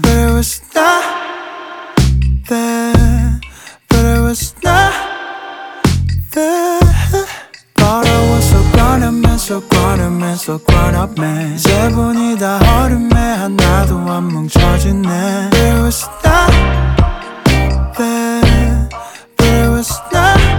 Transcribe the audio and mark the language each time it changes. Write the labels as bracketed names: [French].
[English] But it was not then, but it was not then. Thought I was so grown up man, so grown up man, so grown up man. [Korean] 이제 보니 다 허름해 하나도 안 뭉쳐지네. [English] But it was not then, but it was not.